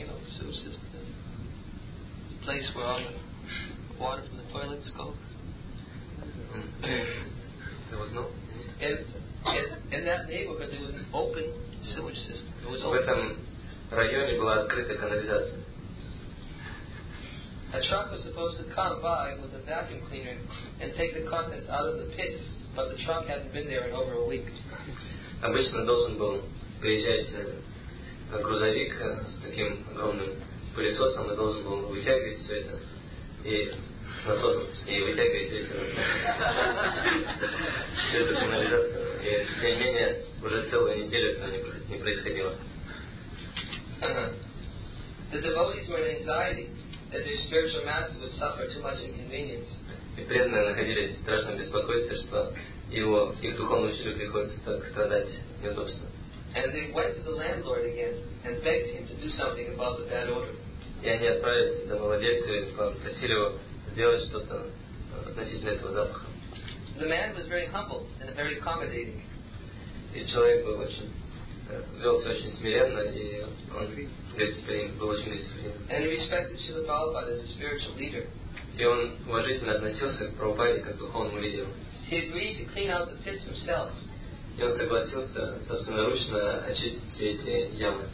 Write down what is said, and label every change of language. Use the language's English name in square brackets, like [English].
[English] The place where all the water from the toilets go. In that neighborhood, there was an open sewage system. It was open. [Russian] В районе была открыта канализация. [English] A truck was supposed to come by with a vacuum cleaner and take the contents out of the pits, but the truck hadn't been there in over a week. [Russian] Обычно должен был приезжать грузовик с таким огромным пылесосом и должен был вытягивать все это и насосом и вытягивать все это канализацию. И тем не менее уже целую неделю это не происходило. [English] The devotees were in anxiety that their spiritual master would suffer too much inconvenience. [Russian] И преданные находились в страшном беспокойстве, что их духовный учитель приходится так страдать неудобства. [English] And they went to the landlord again and begged him to do something about the bad order. [Russian] И они отправились к домовладельцу и попросили его сделать что-то относительно этого запаха. [English] The man was very humble and very accommodating. [Russian] И человек был очень велся очень смиренно, и он был очень гостеприимен. И он уважительно относился к Прабхупаде как к духовному лидеру. [English] He agreed to clean out the pits himself. [Russian] И он согласился собственноручно очистить все эти ямы.